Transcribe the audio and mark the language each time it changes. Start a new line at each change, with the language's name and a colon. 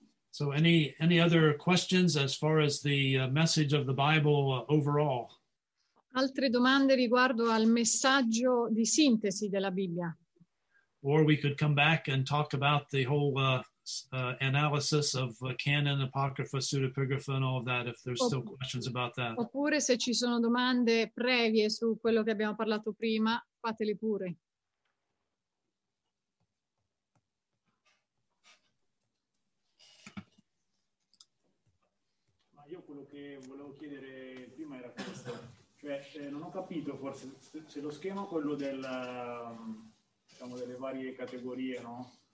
English: So any other questions as far as the message of the Bible overall?
Italian: Altre domande riguardo al messaggio di sintesi della Bibbia.
English: Or we could come back and talk about the whole analysis of canon, apocrypha, pseudepigrapha, and all of that, if there's still questions about that.
Italian: Oppure se ci sono domande previe su quello che abbiamo parlato prima, fatele pure. Ma io quello che volevo chiedere prima era questo. Cioè, non ho capito forse se lo schema quello del diciamo delle varie categorie, no?